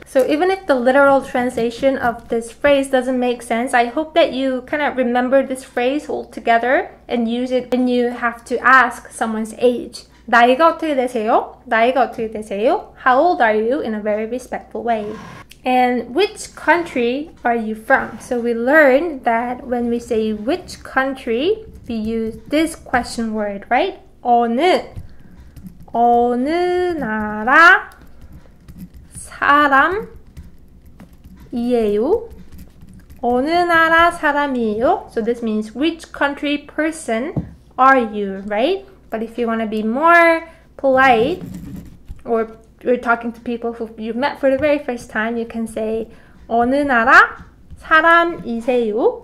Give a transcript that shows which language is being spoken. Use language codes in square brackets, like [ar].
[en] So even if the literal translation of this phrase doesn't make sense, I hope that you kind of remember this phrase altogether and use it when you have to ask someone's age. [ko] 나이가 어떻게 되세요? 나이가 어떻게 되세요? [en] How old are you? In a very respectful way. And which country are you from? So we learned that when we say which country, we use this question word, right? [ko] 어느 어느 나라 사람이에요? 어느 나라 사람이에요? [en] So this means which country person are you, right? But if you want to be more polite, or you're talking to people who you've met for the very first time, you can say [ko] 어느 나라 사람이세요?